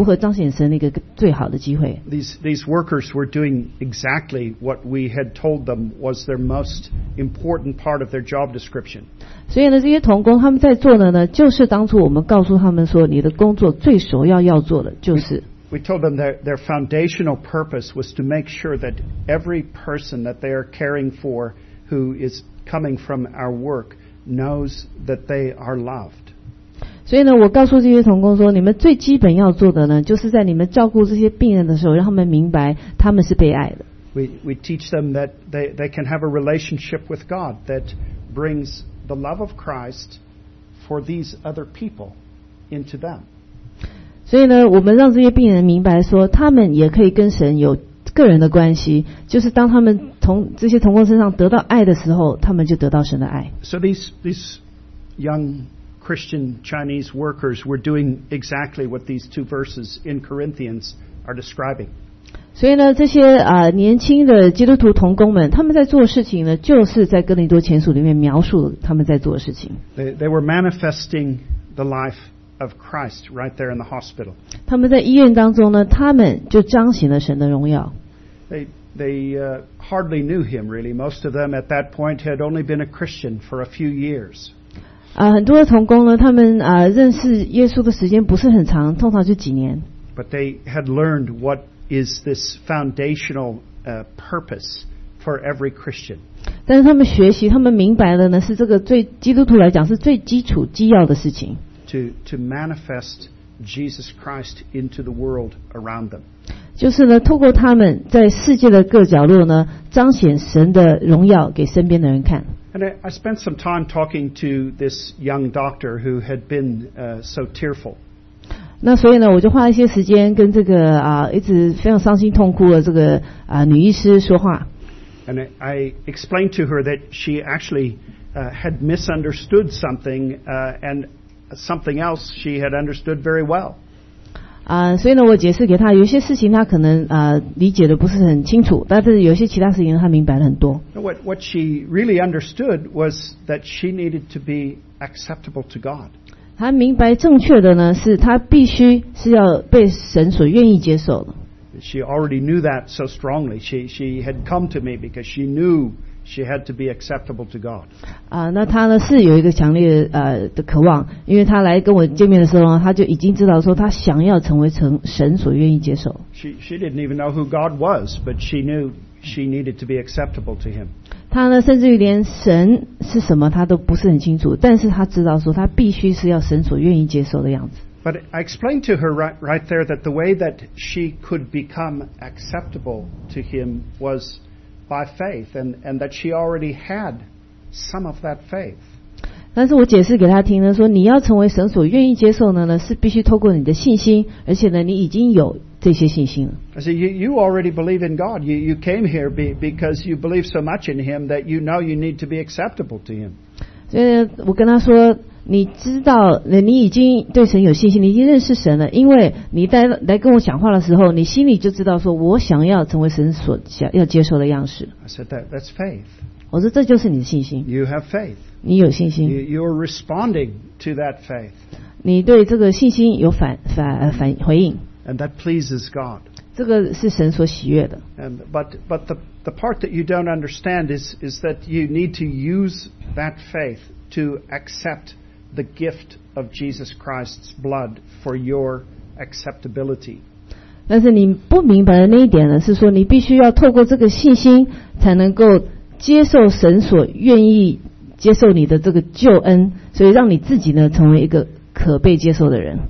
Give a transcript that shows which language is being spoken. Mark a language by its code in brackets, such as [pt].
[zh] 所以呢，我当时我就明白了，神透过这些基督徒把自己的荣耀彰显出来呢，就是一个彰显神人如何彰显神的一个最好的机会。 [en] These workers were doing exactly what we had told them was their most important part of their job description. [zh] 所以呢，这些同工他们在做的呢，就是当初我们告诉他们说，你的工作最首要要做的就是。 [en] We told them that their foundational purpose was to make sure that every person that they are caring for who is coming from our work knows that they are loved. [zh] 所以呢，我告诉这些同工说，你们最基本要做的呢，就是在你们照顾这些病人的时候，让他们明白他们是被爱的。 [en] We teach them that they can have a relationship with God that brings the love of Christ for these other people. into them. [zh] 所以呢, 我们让这些病人明白说, 他们也可以跟神有 个人的关系, 就是当他们从, 这些同工身上得到爱的时候, 他们就得到神的爱。 [en] So these young Christian Chinese workers were doing exactly what these two verses in Corinthians are describing. [zh] 所以呢, 这些, 年轻的基督徒同工们, 他们在做事情呢, 就是在哥林多前书里面描述他们在做的事情。 [en] They were manifesting the life of Christ right there in the hospital. [zh] 他们在医院当中呢, 他们就彰显了神的荣耀。 [en] They hardly knew him, really. Most of them at that point had only been a Christian for a few years. [zh] 很多的同工呢, 他们, 认识耶稣的时间不是很长, 通常就几年。 [en] But they had learned what is this foundational purpose for every Christian. [zh] 但是他们学习, 他们明白了呢, 是这个对基督徒来讲, 是最基础基要的事情。 [en] To manifest Jesus Christ into the world around them. [zh] 就是呢, 透过他们在世界的各角落呢, 彰显神的荣耀给身边的人看。 [en] And I spent some time talking to this young doctor who had been so tearful. [zh] 那所以呢, 我就花了一些时间跟这个, 一直非常伤心痛哭的这个, 女医师说话。 [en] And I explained to her that she actually had misunderstood something and something else she had understood very well. [zh] 所以呢我解释给他, 有些事情他可能, 理解的不是很清楚, 但是有些其他事情他明白了很多。 [en] What she really understood was that she needed to be acceptable to God. [zh] 他明白正确的呢, 是他必须是要被神所愿意接受的。 [en] She already knew that so strongly. She had come to me because she knew she had to be acceptable to God. [zh] 那他呢是有一个强烈的渴望, 因为他来跟我见面的时候呢, 他就已经知道说他想要成为神所愿意接受。 [en] She didn't even know who God was, but she knew she needed to be acceptable to him. [zh] 他呢甚至于连神是什么他都不是很清楚, 但是他知道说他必须是要神所愿意接受的样子。 [en] But I explained to her right there that the way that she could become acceptable to him was by faith, and that she already had some of that faith. [zh] 但是我解释给他听呢, 说你要成为神所愿意接受的呢, 是必须透过你的信心, 而且呢你已经有这些信心了。 [en] I said, you already believe in God. You came here because you believe so much in him that you know you need to be acceptable to him. [zh] 所以我跟他说, 你知道, 你已经对神有信心, 你已经认识神了, 因为你在, 来跟我讲话的时候, 你心里就知道说, 我想要成为神所要接受的样式。 [en] I said that's faith. [zh] 我说这就是你的信心。 [en] You have faith. [zh] 你有信心。 [en] You're responding to that faith. [zh] 你对这个信心有反回应。 [en] And that pleases God. [zh] 这个是神所喜悦的。 [en] But the part that you don't understand is that you need to use that faith to accept the gift of Jesus Christ's blood for your acceptability. [zh] 但是你不明白的那一点呢, 是说你必须要透过这个信心才能够接受神所愿意接受你的这个救恩, 所以让你自己呢, 成为一个可被接受的人。